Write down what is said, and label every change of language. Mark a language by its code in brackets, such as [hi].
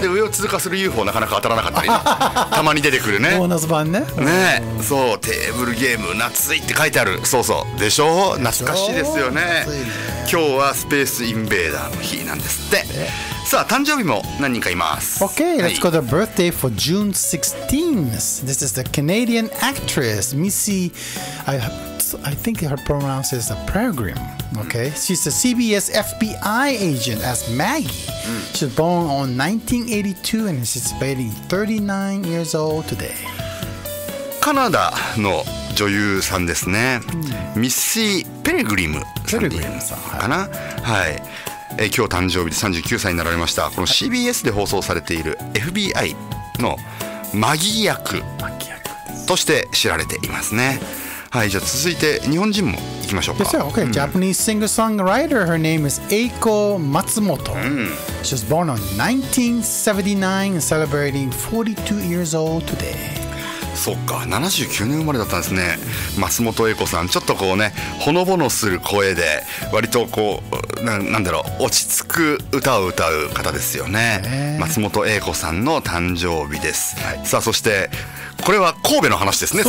[ja] で上を通過する UFO なかなか当たらなかったりねたまに出てくるね、ボーナス版ね、ね、うん、そう、テーブルゲーム夏いって書いてある、そうそう、でしょ、懐かしいですよ ね、 今日はスペースインベーダーの日なんですって。さあ誕生日も何人かいます。 OK、はい、 [en] Let's go to the birthday for June 16th. This is the Canadian actress Missy, I think her pronouns is a pilgrim. Okay, she's a CBS FBI agent as Maggie. She's born on 1982 and is celebrating 39 years old today. [ja] カナダの女優さんですね。ミッシー・ペレグリムさんかな。ペレグリムさん、はい、はい、今日誕生日で39歳になられました。この CBS で放送されている FBI のマギー役として知られていますね。はい、じゃあ続いて日本人も行きましょうか。 [en] Yes, sir. Okay. Japanese singer-songwriter, her name is Eiko Matsumoto. She was born on 1979 and celebrating 42 years old today. [ja] そっか、79年生まれだったんですね。松本英子さん、ちょっとこうね、ほのぼのする声で割とこう なんだろう、落ち着く歌を歌う方ですよね。松本英子さんの誕生日です、はい、さあそしてこれは神戸の話ですね。